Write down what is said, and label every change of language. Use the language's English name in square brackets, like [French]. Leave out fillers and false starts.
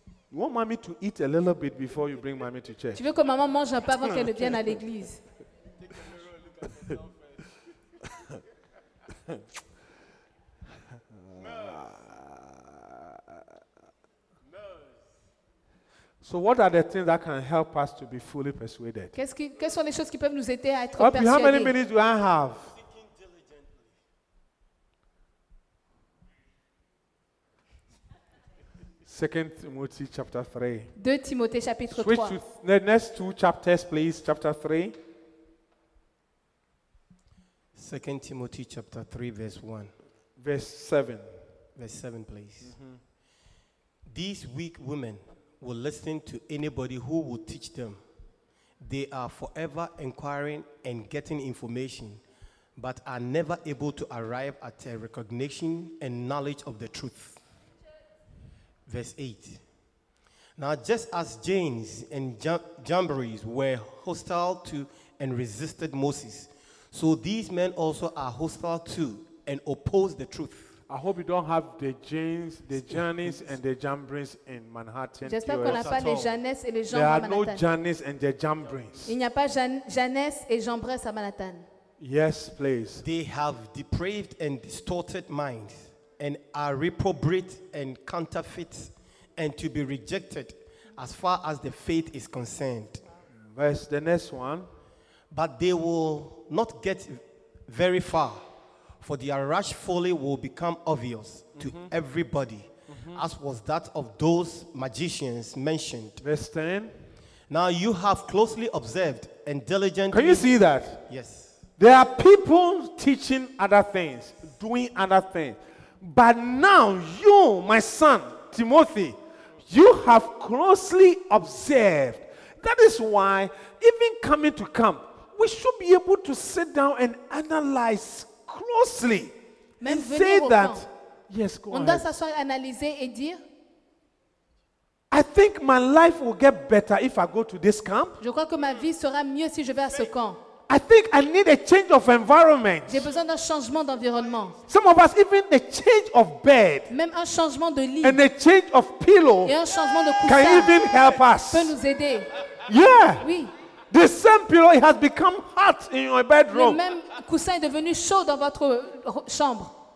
[English] You want mommy to eat a little bit before you bring mommy to church. [French] Tu veux que maman mange un peu avant qu'elle vienne à l'église. [English] So what are the things that can help us to be fully persuaded? [French] Quelles sont les choses qui peuvent nous aider à être persuadés? [English] How many minutes do I have? Second Timothy chapter 3. [French] 2 Timothée chapitre 3. [English] Switch to the next two chapters, please. Chapter 3. 2 Timothy chapter 3, verse 1. Verse 7, please. Mm-hmm. These weak women will listen to anybody who will teach them. They are forever inquiring and getting information, but are never able to arrive at a recognition and knowledge of the truth. Verse 8. Now, just as James and Jambres were hostile to and resisted Moses, so these men also are hostile to and oppose the truth. I hope you don't have the James, the Janes, and the Jambres in Manhattan. [French] J'espère qu'on n'a pas les Janes et les Jambres à Manhattan. [English] There are no Janes and the Jambres. [French] Il n'y a pas Janes et Jambres à Manhattan. [English] Yes, please. They have depraved and distorted minds, and are reprobate and counterfeit, and to be rejected as far as the faith is concerned. Verse the next one. But they will not get very far, for their rash folly will become obvious to everybody, as was that of those magicians mentioned. Verse 10. Now you have closely observed and diligently. Can you see that? Yes. There are people teaching other things, doing other things. But now you, my son, Timothy, you have closely observed. That is why, even coming to camp, we should be able to sit down and analyze closely. [French] Même [English] and say that, camp. Yes, go on ahead. [French] Doit s'asseoir, analyser et dire, [English] I think my life will get better if I go to this camp. [French] Je crois que ma vie sera mieux si je vais à ce camp. [English] I think I need a change of environment. [French] J'ai besoin d'un changement d'environnement. [English] Some of us even a change of bed. [French] Même un changement de lit. [English] And a change of pillow. [French] Et un changement de coussin. [English] Can even help us. [French] Peut nous aider. [English] Yeah. [French] Oui. [English] The same pillow, it has become hot in your bedroom. [French] Le même coussin est devenu chaud dans votre chambre.